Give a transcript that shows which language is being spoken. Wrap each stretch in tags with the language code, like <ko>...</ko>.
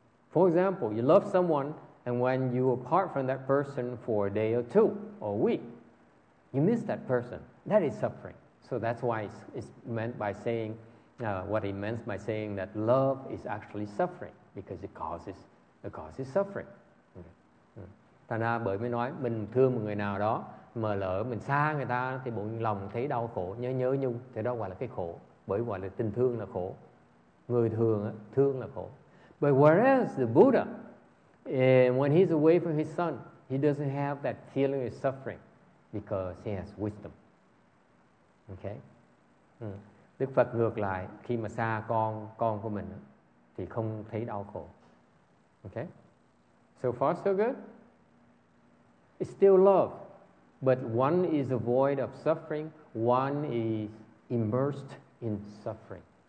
<en>For example, you love someone, and when you apart from that person for a day or two or a week, you miss that person. That is suffering. So that's why it's meant by saying, what it means by saying that love is actually suffering, because it causes suffering.</en> <vi>Thành ra bởi mới nói mình thương một người nào đó, mà lỡ mình xa người ta thì bụng lòng thấy đau khổ, nhớ nhung, thì đó gọi là cái khổ. Bởi gọi là tình thương là khổ. Người thường á, thương là khổ.</vi> <en>But whereas the Buddha, when he's away from his son, he doesn't have that feeling of suffering because he has wisdom. Okay?</en> <vi>Đức Phật ngược lại, khi mà xa con của mình thì không thấy đau khổ.</vi> <en>Okay? So far so good? It's still love. But one is void of suffering, one is immersed in suffering.</en>